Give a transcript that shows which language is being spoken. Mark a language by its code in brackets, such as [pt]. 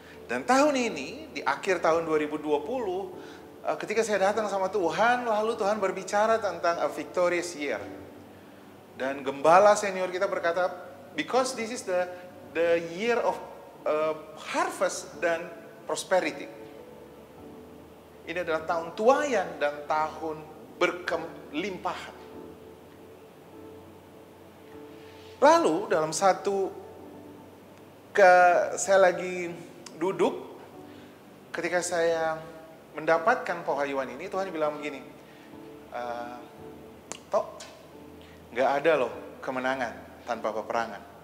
[id] Dan tahun ini, di akhir tahun 2020, ketika saya datang sama Tuhan, lalu Tuhan berbicara tentang [en] a victorious year. [id] Dan gembala senior kita berkata, [en] because this is the year of harvest [id] dan [en] prosperity. [id] Ini adalah tahun tuayan dan tahun berkelimpahan. Lalu dalam satu saya lagi duduk, ketika saya mendapatkan pewahyuan ini, Tuhan bilang begini, Tok, gak ada loh kemenangan tanpa peperangan.